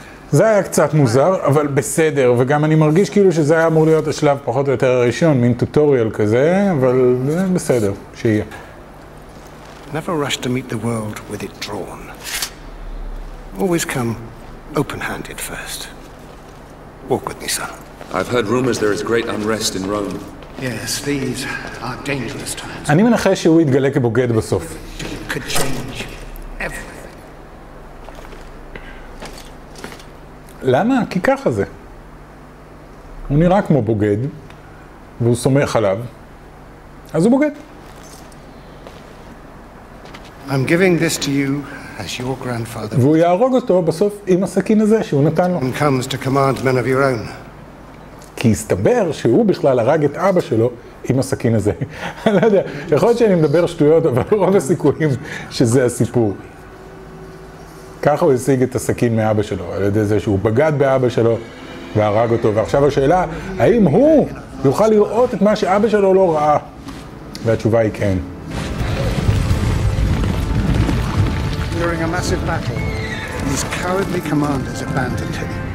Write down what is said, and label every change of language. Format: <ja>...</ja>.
<he>זה היה קצת מוזר, אבל בסדר, וגם אני מרגיש כאילו שזה היה אמור להיות השלב פחות או יותר הראשון, מין טוטוריאל כזה, אבל בסדר, שיהיה.</he> <en>Never rush to meet the world with it drawn. Always come open-handed first. Walk with me, son. I've heard rumors there is great unrest in Rome. Yes, these are dangerous times.</en> <he>אני מנחש שהוא יתגלה כבוגד בסוף.</he> <en>Could change everything.</en> <he>למה? כי ככה זה. הוא נראה כמו בוגד, והוא סומך עליו, אז הוא בוגד.</he> <en>I'm giving this to you as your grandfather.</en> <he>והוא יהרוג אותו בסוף עם הסכין הזה שהוא נתן לו.</he> <en>And comes to command men of your own.</en> <he>כי הסתבר שהוא בכלל הרג את אבא שלו עם הסכין הזה. אני לא יודע, יכול להיות שאני מדבר שטויות, אבל רוב הסיכויים שזה הסיפור. ככה הוא השיג את הסכין מאבא שלו, על ידי זה שהוא בגד באבא שלו והרג אותו. ועכשיו השאלה, האם הוא יוכל לראות את מה שאבא שלו לא ראה? והתשובה היא כן.</he> <en>During a massive battle, these cowardly commanders abandoned him.</en>